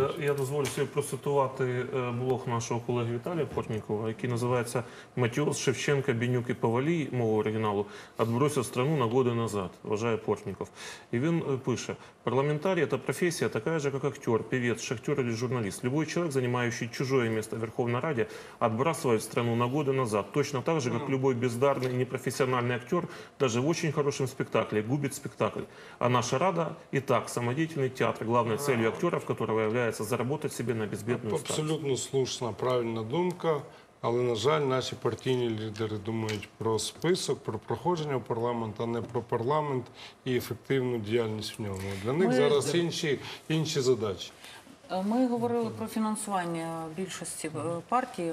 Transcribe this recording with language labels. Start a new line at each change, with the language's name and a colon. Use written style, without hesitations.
Ukrainian: Але я дозволю собі процитувати блог нашого колеги Віталія Портнікова, який називається «Матіос, Шевченка, Бінюк і Павалій», мова оригіналу,
Russian: «Отбросив страну на годи назад»,
Ukrainian: вважає Портніков. І він пише: «Парламентарія та професія така ж, як актер, певець, шахтер или журналіст.
Russian: Любой человек, занимающий чужое место в Верховной Раде, отбрасывает страну на годы назад. Точно так же, как любой бездарный и непрофессиональный актер, даже в очень хорошем спектакле, губит спектакль. А наша Рада и так самодеятельный театр, главной целью актеров, которого является заработать себе на безбедную старость».
Ukrainian: Абсолютно слушна, правильна думка. Але, на жаль, наші партійні лідери думають про список, про проходження в парламент, а не про парламент і ефективну діяльність в ньому. Для них зараз інші задачі. Ми говорили про фінансування більшості партії.